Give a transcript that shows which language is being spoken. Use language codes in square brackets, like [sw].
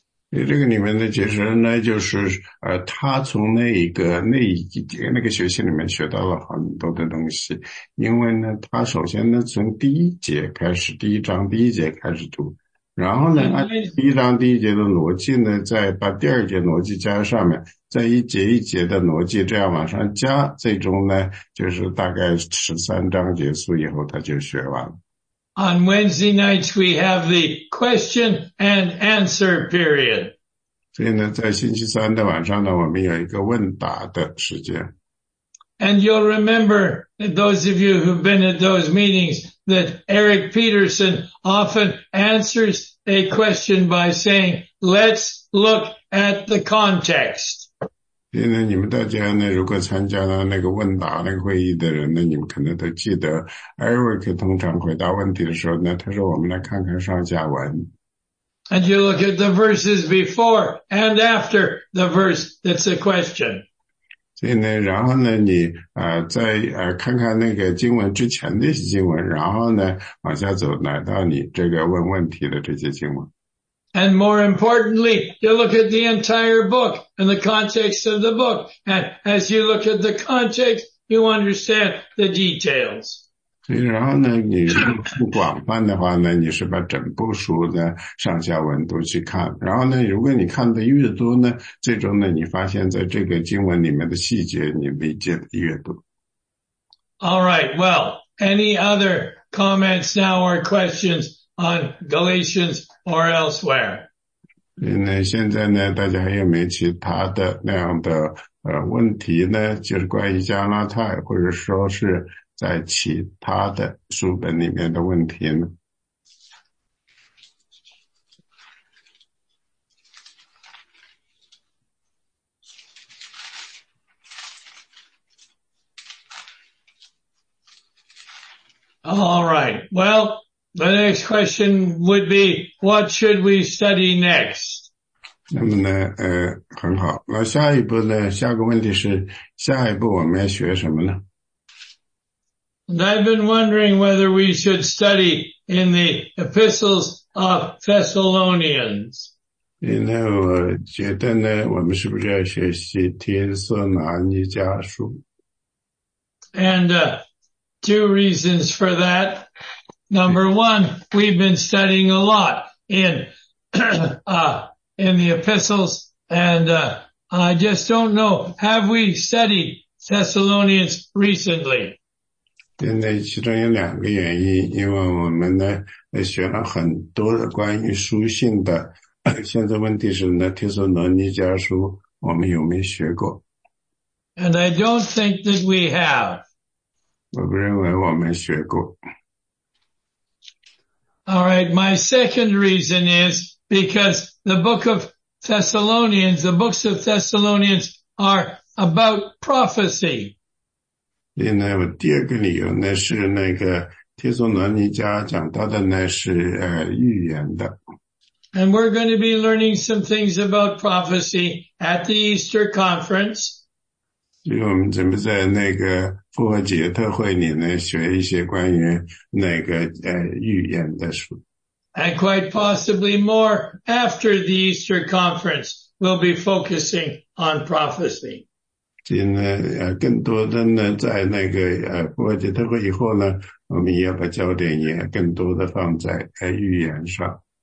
[zh] 这个里面的解释呢，就是他从那个学习里面学到了很多的东西。因为呢，他首先呢，从第一节开始，第一章第一节开始读。然后呢，按第一章第一节的逻辑呢，再把第二节逻辑加上面，再一节一节的逻辑这样往上加，最终呢，就是大概13章结束以后，他就学完了。 [en] On Wednesday nights, we have the question and answer period. [zh] 所以呢，在星期三的晚上呢，我们有一个问答的时间。 [en] And you'll remember, those of you who've been at those meetings,that Eric Peterson often answers a question by saying, let's look at the context. [zh] 因为你们大家呢，如果参加了那个问答那个会议的人呢，你们可能都记得 Eric 通常回答问题的时候呢，他说我们来看看上下文。 [en] And you look at the verses before and after the verse that's a question. [zh] 然后呢你再看看那个经文之前的经文，然后呢往下走来到你这个问问题的这些经文。 [en] And more importantly, you look at the entire book and the context of the book. And as you look at the context, you understand the details. [zh] 所以然后呢你如果不广泛的话呢，你是把整部书的上下文都去看。然后呢如果你看的越多呢，最终呢你发现在这个经文里面的细节你理解的越多。 [en] Alright, well, any other comments now or questions on Galatians or elsewhere? [zh] 现在呢大家还有没有其他的那样的问题呢，就是关于加拉太或者说是在其他的书本里面的问题呢？ [en] All right. Well, the next question would be, what should we study next? [zh] 那么呢很好。那下一步呢，下个问题是，下一步我们要学什么呢？ [en] And I've been wondering whether we should study in the epistles of Thessalonians. [zh] 另外，我觉得呢，我们是不是要学习天色拿捏家书？ [en] And two reasons for that. Number one, we've been studying a lot in the epistles, and I just don't know. Have we studied Thessalonians recently? [zh] 现在其中有两个原因，因为我们呢学了很多的关于书信的，现在问题是呢，提索罗尼迦书我们有没有学过？ [en] And I don't think that we have. [zh] 我不认为我们学过。 [en] All right, my second reason is because the book of Thessalonians, the books of Thessalonians are about prophecy. [zh] 另外，我第二个理由呢是那个提索罗尼迦讲到的呢是预言的。 [en] And we're going to be learning some things about prophecy at the Easter conference. [zh] 所以我们准备在那个复活节特会里呢学一些关于那个预言的书。 [en] And quite possibly more after the Easter conference, we'll be focusing on prophecy. [zh] 今天更多的呢，在那个复活节特会以后呢，我们也要把焦点也更多的放在预言上。